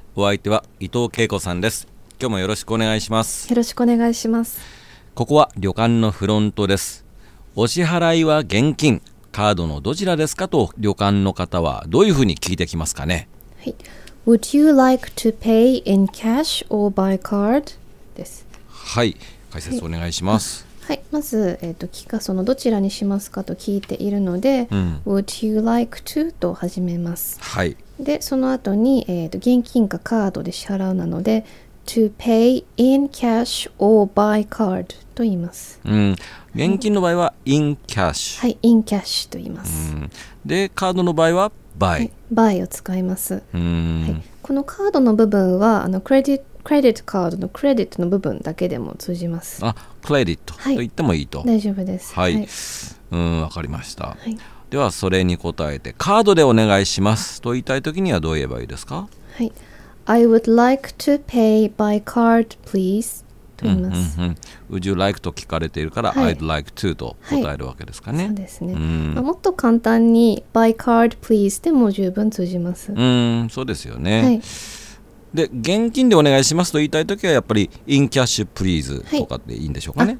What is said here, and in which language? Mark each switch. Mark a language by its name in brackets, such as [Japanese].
[Japanese] お相手は伊藤恵子さんです。今日もよろしくお願いします。よろしくお願いします。ここは旅館のフロントです。お支払いは現金、カードのどちらですかと旅館の方はどういうふうに聞いてきますかね。 [English] はい、Would you like to pay in cash or by card? [Japanese] です。はい、解説お願いします。はい、はい、まず、聞かそのどちらにしますかと聞いているので、 [English] Would you like to? [Japanese] と始めます。はい。で、その後に、現金かカードで支払うなので、 [English] To pay in cash or by card [Japanese] と言います。うん、現金の場合は [English] in cash。 [Japanese] はい、 [English] in cash [Japanese] と言います。うん、で、カードの場合はBuy、はい、を使います、はい、このカードの部分はあのクレディットカードのクレディットの部分だけでも通じます。あ、クレディットと言ってもいいと、はい、大丈夫です。はい、うん、分かりました、はい、ではそれに答えてカードでお願いしますと言いたいときにはどう言えばいいですか。 [English] はい、 I would like to pay by card please [Japanese] と言います、うんうんうん、 [English] Would you like [Japanese] と聞かれているから、はい、 [English] I'd like to [Japanese] と答えるわけですかね、はい、そうですね、まあ、もっと簡単に [English] By card please [Japanese] でも十分通じます。うん、そうですよね、はい、で現金でお願いしますと言いたいときはやっぱり [English] In cash please [Japanese] とかでいいんでしょうかね。